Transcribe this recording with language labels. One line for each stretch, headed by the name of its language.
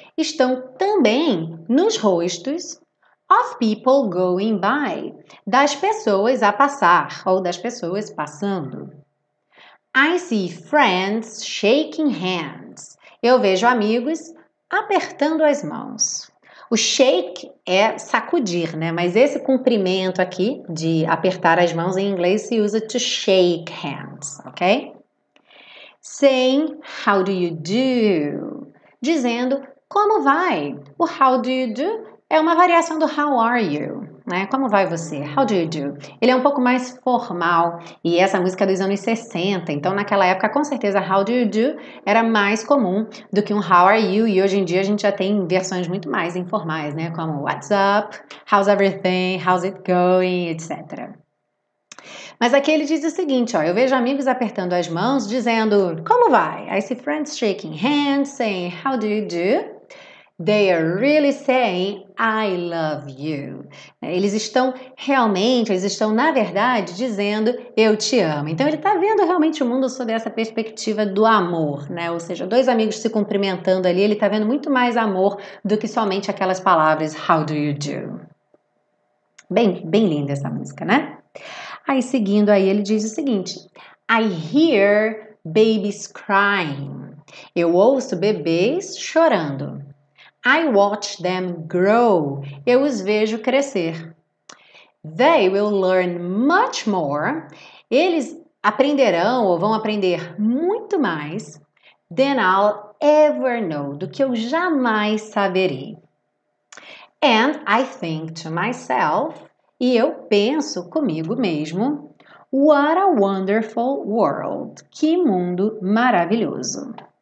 Portuguese: Estão também nos rostos.
English: Of people going by.
Portuguese: Das pessoas a passar. Ou das pessoas passando.
English: I see friends shaking hands.
Portuguese: Eu vejo amigos apertando as mãos. O shake é sacudir, né? Mas esse cumprimento aqui de apertar as mãos em inglês se usa to shake hands, ok?
English: Saying how do you do?
Portuguese: Dizendo como vai?
English: O how do you do
Portuguese: é uma variação do How Are You, né? Como vai você? How do you do? Ele é um pouco mais formal e essa música é dos anos 60, então naquela época com certeza How Do You Do era mais comum do que um How Are You, e hoje em dia a gente já tem versões muito mais informais, né? Como What's Up, How's Everything, How's It Going, etc. Mas aqui ele diz o seguinte, ó, eu vejo amigos apertando as mãos, dizendo, como vai?
English: I see friends shaking hands, saying, how do you do? They are really saying, I love you.
Portuguese: Eles estão realmente, eles estão, na verdade, dizendo, eu te amo. Então, ele está vendo realmente o mundo sob essa perspectiva do amor, né? Ou seja, dois amigos se cumprimentando ali, ele está vendo muito mais amor do que somente aquelas palavras, how do you do? Bem, bem linda essa música, né? Aí, seguindo aí, ele diz o seguinte,
English: I hear babies crying.
Portuguese: Eu ouço bebês chorando.
English: I watch them grow.
Portuguese: Eu os vejo crescer.
English: They will learn much more.
Portuguese: Eles aprenderão ou vão aprender muito mais
English: than I'll ever know,
Portuguese: do que eu jamais saberei.
English: And I think to myself,
Portuguese: e eu penso comigo mesmo,
English: what a wonderful world,
Portuguese: que mundo maravilhoso.